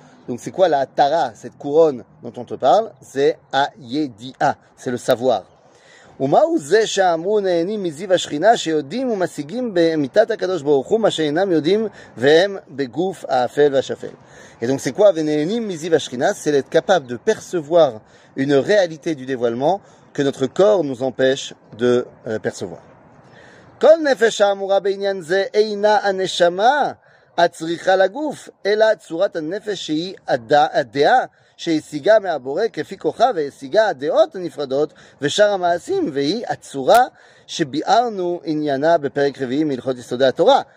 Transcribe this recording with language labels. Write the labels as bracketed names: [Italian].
[French] Donc c'est quoi la tara, cette couronne dont on te parle? C'est [Hebrew] הידיעה, [French] c'est le savoir. [Hebrew] ומהו זה שאמרו נהנים מזיו השכינה שיודעים ומשיגים במיטת הקדוש ברוך הוא מה שאינם יודעים והם בגוף האפל והשפל. [French] Et donc c'est quoi [Hebrew] ונהנים מזיו השכינה? [French] C'est d'être capable de percevoir une réalité du dévoilement que notre corps nous empêche de percevoir. [Hebrew] כל נפש האמורה בעניין זה אינה הנשמה הצריכה לגוף אלא צורת הנפש שהיא הדעה שהשיגה מהבורא כפי כוחה והשיגה הדעות הנפרדות ושאר המעשים והיא הצורה שביארנו עניינה בפרק רביעי מלכות יסודי התורה.